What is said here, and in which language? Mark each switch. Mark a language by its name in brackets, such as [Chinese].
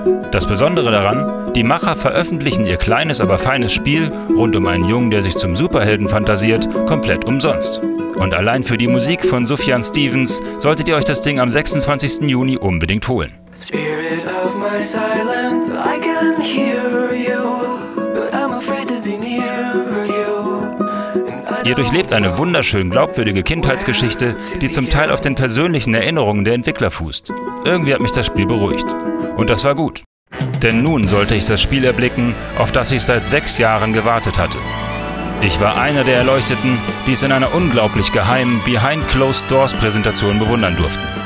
[German] Das Besondere daran, die Macher veröffentlichen ihr kleines, aber feines Spiel rund um einen Jungen, der sich zum Superhelden fantasiert, komplett umsonst. Und allein für die Musik von Sufjan Stevens solltet ihr euch das Ding am 26. Juni unbedingt holen. [English] Spirit of my silence, I can hear you, but I'm afraid to be near you. [German] Ihr durchlebt eine wunderschön glaubwürdige Kindheitsgeschichte, die zum Teil auf den persönlichen Erinnerungen der Entwickler fußt. Irgendwie hat mich das Spiel beruhigt. Und das war gut. Denn nun sollte ich das Spiel erblicken, auf das ich seit 6 Jahren gewartet hatte. Ich war einer der Erleuchteten, die es in einer unglaublich geheimen Behind-Closed-Doors-Präsentation bewundern durften.